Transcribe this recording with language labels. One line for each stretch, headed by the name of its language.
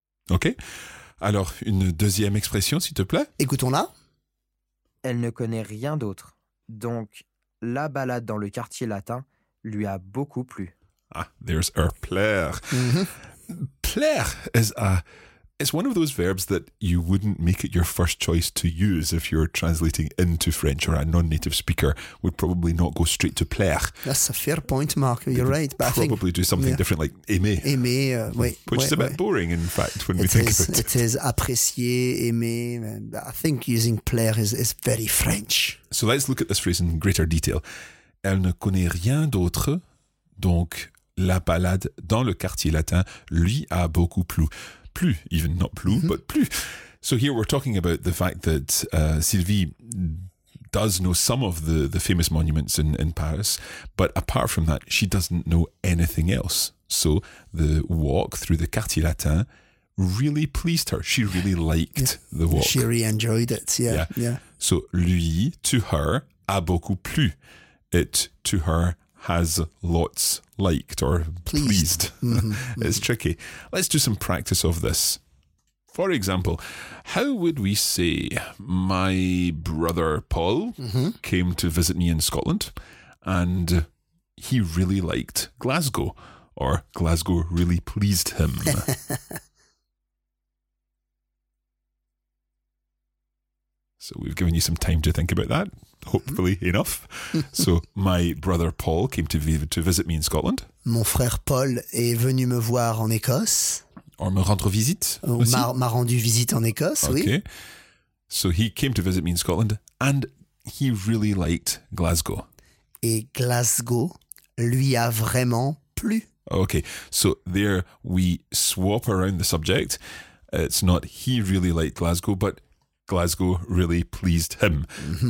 French: Okay, alors une deuxième expression, s'il te plaît. Écoutons-la. Elle ne connaît rien d'autre. Donc, la balade dans le quartier latin lui a beaucoup plu.
English: Ah, there's her plaire. Mm-hmm. Plaire is a... It's one of those verbs that you wouldn't make it your first choice to use if you're translating into French, or a non-native speaker would probably not go straight to plaire. That's a fair point, Mark. You're right. But probably do something different like aimer. Aimer, which is a bit boring, in fact, when we think about it. It is apprécier, aimer. I think using plaire is very French. So let's look at this phrase in greater detail.
French: Elle ne connaît rien d'autre, donc la balade dans le quartier latin lui a beaucoup plu.
English: Plus, even not plus, but plus. So here we're talking about the fact that Sylvie does know some of the famous monuments in Paris, but apart from that, she doesn't know anything else. So the walk through the Quartier Latin really pleased her. She really liked the walk. She really enjoyed it, yeah. So
French: lui,
English: to her,
French: a beaucoup plu.
English: It, to her, has lots liked or pleased. Mm-hmm. It's tricky. Let's do some practice of this. For example, how would we say my brother Paul came to visit me in Scotland and he really liked Glasgow, or Glasgow really pleased him? So we've given you some time to think about that, hopefully enough. So my brother Paul came to visit me in Scotland.
French: Mon frère Paul est venu me voir en Écosse. Or me rendre visite. Ou m'a rendu visite en Écosse,
English: okay.
French: Oui.
English: Okay. So he came to visit me in Scotland and he really liked Glasgow.
French: Et Glasgow lui a vraiment plu.
English: Okay, so there we swap around the subject. It's not he really liked Glasgow, but Glasgow really pleased him. Mm-hmm.